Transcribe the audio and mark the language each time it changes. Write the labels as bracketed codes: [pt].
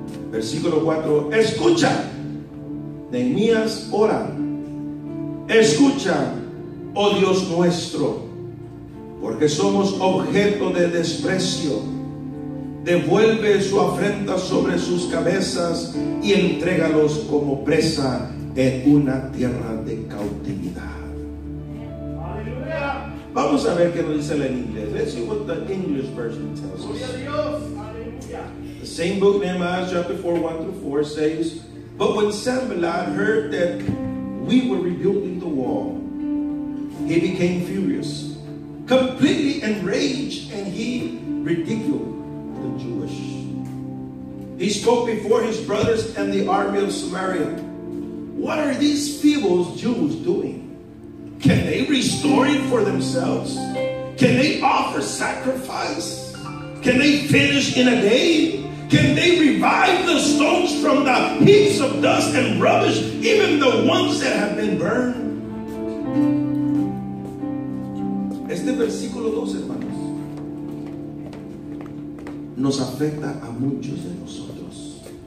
[es] Versículo 4. Escucha, Nehemías ora: escucha, oh Dios nuestro, porque somos objeto de desprecio. Devuelve su afrenta sobre sus cabezas y entrégalos como presa en una tierra de cautividad. Aleluya. Vamos a ver qué nos dice en inglés. [en] Let's see what the English version tells us. [es] Gloria a Dios. Aleluya. [en] The same book, Nehemiah chapter 4, 1 through 4, says: but when Sambalat heard that we were rebuilding the wall, he became furious, completely enraged, and he ridiculed the Jewish. He spoke before his brothers and the army of Samaria: what are these feeble Jews doing? Can they restore it for themselves? Can they offer sacrifice? Can they finish in a day? Can they revive the stones from the heaps of dust and rubbish, even the ones that have been burned? [es] Este versículo 2, hermanos, nos afecta a muchos de nosotros.